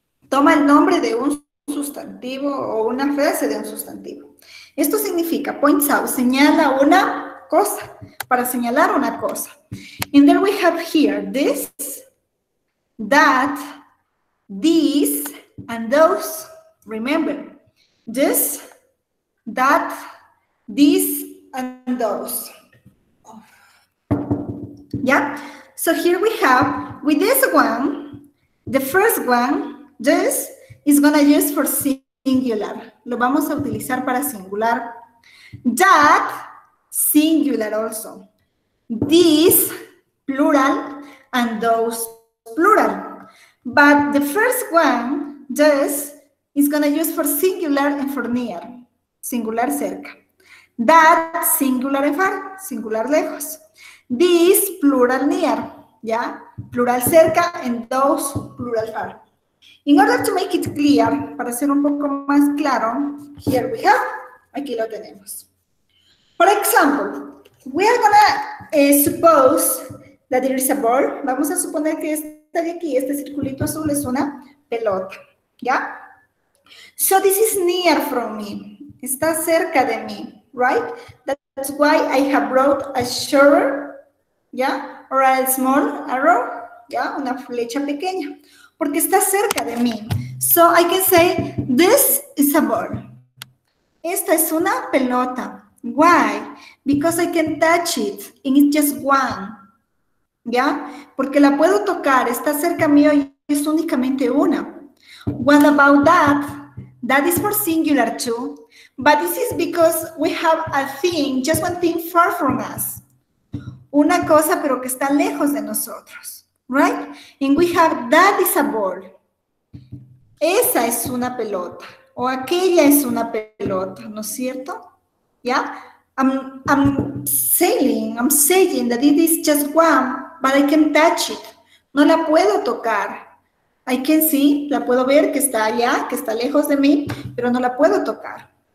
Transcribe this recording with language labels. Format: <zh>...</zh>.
<es>Toma el nombre de un sustantivo o una frase de un sustantivo. Esto significa</es> <en>points out,</en> <es>señala una cosa, para señalar una cosa.</es> <en>And then we have here this, that, these, and those. Remember, this, that, these, and those. Yeah? So here we have, with this one, the first one, this, is gonna use for singular.</en> <es>Lo vamos a utilizar para singular.</es> <en>That, singular also. These, plural, and those, plural. But the first one, this, is gonna use for singular and for near, singular cerca. That, singular and far, singular lejos. This, plural near, yeah? Plural cerca, and those, plural far. In order to make it clear,</en> <es>para ser un poco más claro,</es> <en>here we have,</en> <es>aquí lo tenemos.</es> <en>For example, we are gonna suppose that there is a ball.</en> <es>Vamos a suponer que esta de aquí, este circulito azul, es una pelota, ¿ya?</es> <en>So this is near from me.</en> <es>Está cerca de mí,</es> <en>right? That's why I have brought a shorter,</en> <es>¿ya?</es> <en>Or a small arrow,</en> <es>¿ya? Una flecha pequeña. Porque está cerca de mí.</es> <en>So I can say, this is a ball.</en> <es>Esta es una pelota.</es> <en>Why? Because I can touch it, and it's just one.</en> <es>¿Ya? Porque la puedo tocar, está cerca mío y es únicamente una.</es> <en>What about that? That is for singular too. But this is because we have a thing, just one thing far from us.</en> <es>Una cosa, pero que está lejos de nosotros.</es> <en>Right? And we have, that is a ball.</en> <es>Esa es una pelota. O aquella es una pelota, ¿no es cierto?</es> <en>Yeah, I'm saying that it is just one, but I can touch it.</en> <es>No la puedo tocar.</es> <en>I can see,</en> <es>la puedo ver que está allá, que está lejos de mí, pero no la puedo tocar.</es>